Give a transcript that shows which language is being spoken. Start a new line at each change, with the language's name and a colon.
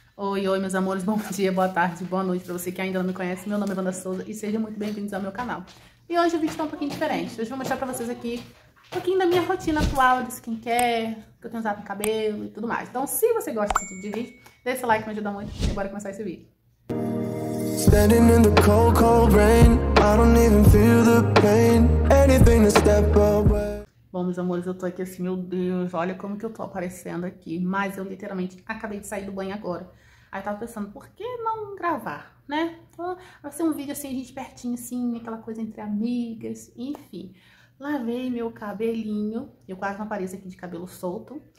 Portuguese: Oi, oi, meus amores, bom dia, boa tarde, boa noite para você que ainda não me conhece. Meu nome é Wanda Souza e sejam muito bem-vindos ao meu canal. E hoje o vídeo está um pouquinho diferente. Hoje eu vou mostrar para vocês aqui um pouquinho da minha rotina atual de skincare, que eu tenho usado no cabelo e tudo mais. Então, se você gosta desse tipo de vídeo, deixa seu like, me ajuda muito. E bora começar esse vídeo.
English: Standing in the cold, cold rain, I don't even feel the pain, anything to step away.
Portuguese: Bom, meus amores, eu tô aqui assim, meu Deus, olha como que eu tô aparecendo aqui. Mas eu literalmente acabei de sair do banho agora. Aí eu tava pensando, por que não gravar, né? Vai ser um vídeo assim, a gente pertinho, assim, aquela coisa entre amigas, enfim. Lavei meu cabelinho, eu quase não apareço aqui de cabelo solto.